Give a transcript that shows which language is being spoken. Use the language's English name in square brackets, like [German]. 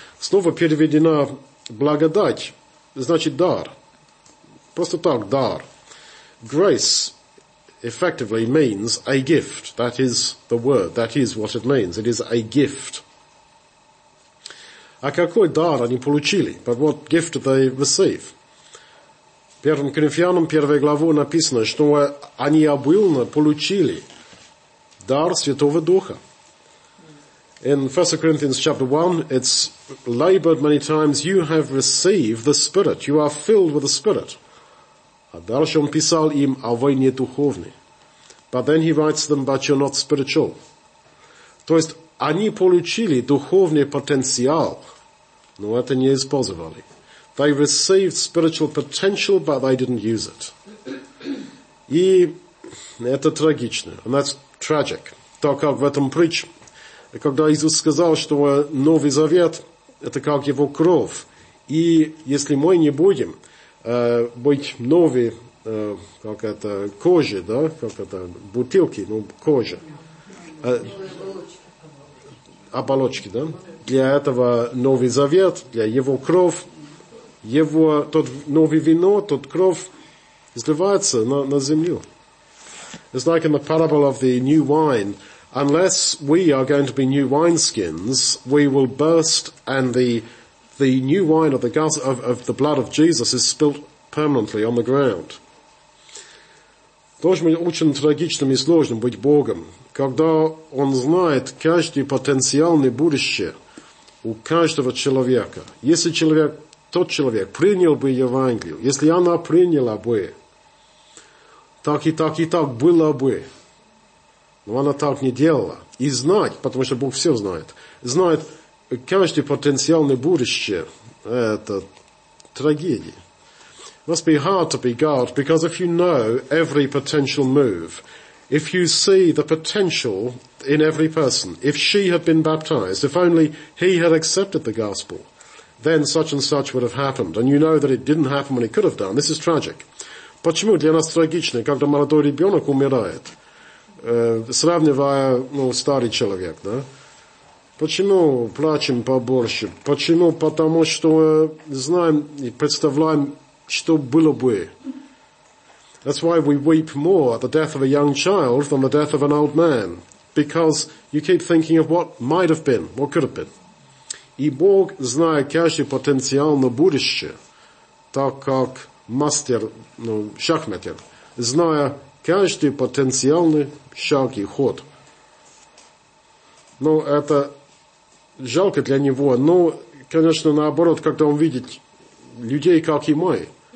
[Russian] Снова переведена благодать, значит дар. Просто так, дар. [English] Grace effectively means a gift. That is the word. That is what it means. It is a gift. [Russian] А какой дар они получили? [English] But what gift did they receive? [Russian] Первым Коринфянам, первая глава, написано, что они обильно получили дар Святого Духа. [English] In 1 Corinthians chapter 1, it's labored many times, you have received the Spirit. You are filled with the Spirit. [Russian] А дальше он писал им, а вы не духовны. [English] But then he writes them, but you're not spiritual. [Russian] То есть, они получили духовный потенциал, но это не использовали. [English] They received spiritual potential, but they didn't use it. [Russian] И это трагично. [English] And that's tragic. [Russian] Так как в этом притч, когда Иисус сказал, что Новый Завет, это как его кровь. И если мы не будем быть новыми, как это, кожи, да, как это, бутылки, ну, кожа. Оболочки, да? Для этого Новый Завет, для его кровь, его, тот новый вино, тот кровь изливается на землю. [English] It's like in the parable of the new wine. Unless we are going to be new wineskins, we will burst, and the new wine of the gas, of the blood of Jesus is spilt permanently on the ground. [Russian] Тоже очень трагичным и сложным быть Богом, когда он знает каждое потенциальное будущее у каждого человека. Если человек, тот человек принял бы Евангелие, если она приняла бы, так и так, и так было бы. Но она так не делала. И знать, потому что Бог все знает, знает каждое потенциальное будущее, это трагедия. [English] Must be hard to be God, because if you know every potential move, if you see the potential in every person, if she had been baptized, if only he had accepted the gospel, then such and such would have happened. And you know that it didn't happen when it could have done. This is tragic. [Russian] Почему для нас трагично, когда молодой ребенок умирает, сравнивая, ну, старый человек, да? Почему плачем по борщу? Почему? Потому что знаем и представляем, что было бы. [English] That's why we weep more at the death of a young child than the death of an old man. Because you keep thinking of what might have been, what could have been. [Russian] И Бог знает каждый потенциал на будущее, так как мастер, ну, шахматер, зная каждый потенциальный шаг и ход. Ну, это жалко для него, но, конечно, наоборот, когда он видит людей, как и мы.